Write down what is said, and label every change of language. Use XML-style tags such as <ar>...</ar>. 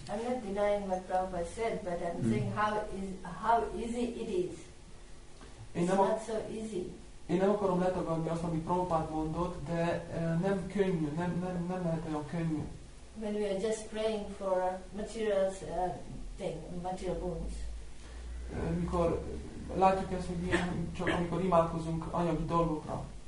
<en>I'm not denying what Prabhupada said, but I'm saying how easy it is. Not so easy.</en> <hu>Én nem akarom letagadni azt, ami Prabhupada mondott, de nem könnyű, nem lehet olyan könnyű.</hu> <en>When we are just praying for materials, material boons.</en> <hu>Mikor látjuk ezt, hogy csak amikor imádkozunk anyagi dolgokra.</hu>